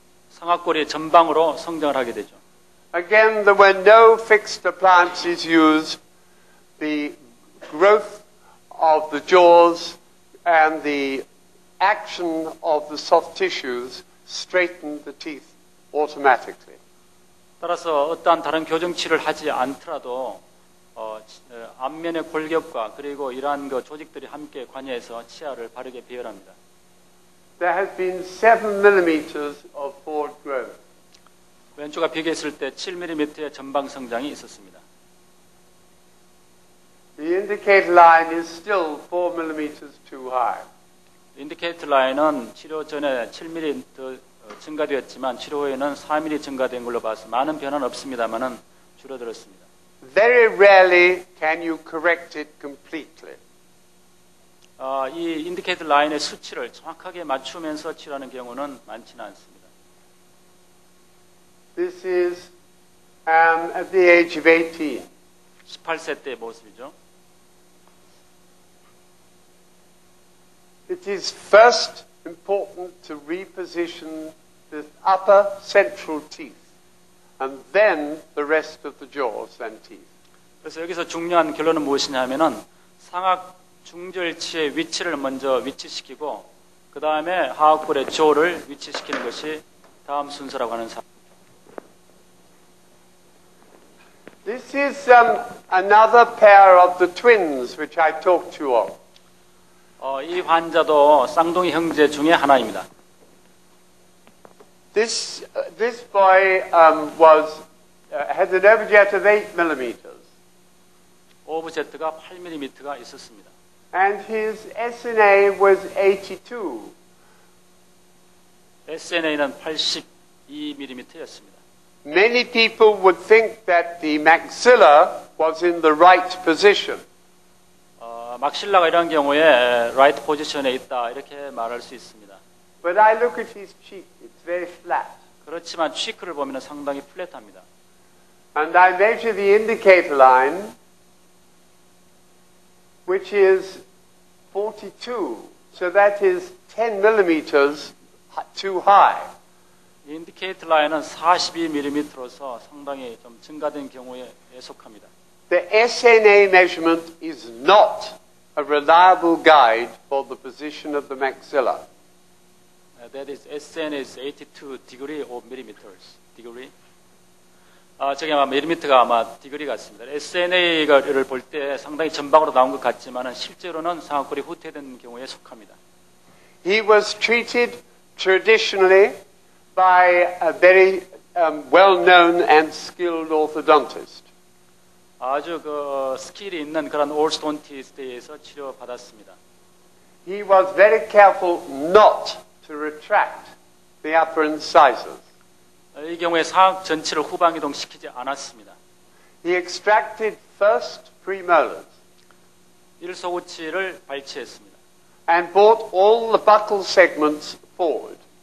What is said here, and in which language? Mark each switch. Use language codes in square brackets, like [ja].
[ko] 상악골이 전방으로 성장을 하게 되죠. [en] Again, when no fixed implant is used, the growth of the jaws and the action of the soft tissues straighten the teeth automatically. [ko] 따라서 어떠한 다른 교정치를 하지 않더라도 안면의 골격과 그리고 이러한 그 조직들이 함께 관여해서 치아를 바르게 비열합니다. [en] There has been 7 millimeters of forward growth. [ko] 왼쪽과 비교했을 때 7mm의 전방 성장이 있었습니다. [en] The indicator line is still 4 millimeters too high. [ko] 인디케이터 라인은 치료 전에 7mm 증가되었지만 치료 후에는 4mm 증가된 걸로 봐서 많은 변화는 없습니다만은 줄어들었습니다. [en] Very rarely can you correct it completely. [ko] 이 인디케이터 라인의 수치를 정확하게 맞추면서 치료하는 경우는 많지는 않습니다. [en] This is at the age of 18. [ko] 18세 때의 모습이죠. [en] It is first important to reposition the upper central teeth and then the rest of the jaws and teeth. [ko] 그래서 여기서 중요한 결론은 무엇이냐면은 상악 중절치의 위치를 먼저 위치시키고 그다음에 하악골의 조를 위치시키는 것이 다음 순서라고 하는 사항입니다. [en] This is another pair of the twins which I talked to you of. [ko] 이 환자도 쌍둥이 형제 중에 하나입니다. [en] This boy had an overjet of 8 millimeters. [ko] 오브제트가 8mm가 있었습니다. [en] And his SNA was 82. [ko] SNA는 82mm였습니다. [en] Many people would think that the maxilla was in the right position. [ko] 막실라가 이런 경우에 [en] right position [ko] 에 있다 이렇게 말할 수 있습니다. [en] But I look at his cheek. It's very flat. [ko] 그렇지만 치크를 보면 상당히 플랫합니다. [en] And I measure the indicator line, which is 42. So that is 10 millimeters too high. [ko] 인디케이터 라인은 42mm로서 상당히 좀 증가된 경우에 속합니다. [en] The SNA measurement is not a reliable guide for the position of the maxilla. That is, SNA is 82 degree or millimeters. Degree? [ko] 저게 아마 밀리미터가 아마 degree 같습니다. SNA를 볼 때 상당히 전방으로 나온 것 같지만 실제로는 상악골이 후퇴된 경우에 속합니다. [en] He was treated traditionally by a very well-known and skilled orthodontist. [ko] 아주 그 스킬이 있는 그런 올스톤티스트에서 치료받았습니다. [en] He was very careful not to retract the upper incisors. [ko] 이 경우에 상악 전체를 후방 이동시키지 않았습니다. [en] He extracted first premolars. [ko] 일소구치를 발치했습니다. [en] And brought all the buccal segments forward.